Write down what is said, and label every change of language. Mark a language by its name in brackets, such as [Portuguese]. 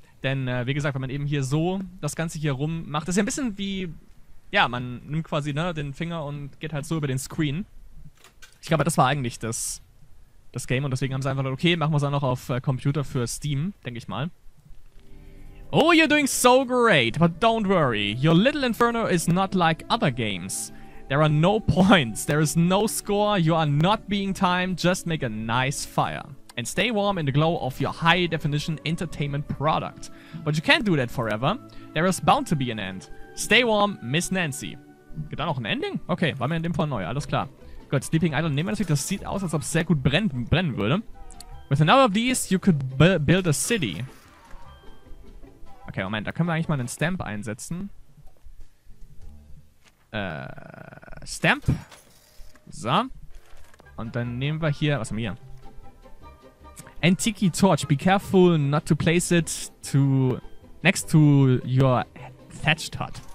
[German] Denn, wie gesagt, wenn man eben hier so das Ganze hier rum macht, ist ja ein bisschen wie, ja, man nimmt quasi, ne, den Finger und geht halt so über den Screen. Ich glaube, das war eigentlich das Game und deswegen haben sie einfach gesagt, okay, machen wir es auch noch auf Computer für Steam, denke ich mal. [English] Oh, you're doing so great, but don't worry. Your little inferno is not like other games. There are no points, there is no score, you are not being timed, just make a nice fire. And stay warm in the glow of your high-definition entertainment product. But you can't do that forever. There is bound to be an end. Stay warm, Miss Nancy. [German] Gibt da noch ein Ending? Okay, war mir in dem Fall neu, alles klar. Gut, Sleeping Idol, nehmen wir natürlich, das sieht aus, als ob es sehr gut brennen würde. [English] With another of these, you could build a city. [German] Okay, Moment, da können wir eigentlich mal einen Stamp einsetzen. Stamp. So. Und dann nehmen wir hier, was haben wir hier? [English] Antique torch, be careful not to place it to next to your thatched hut.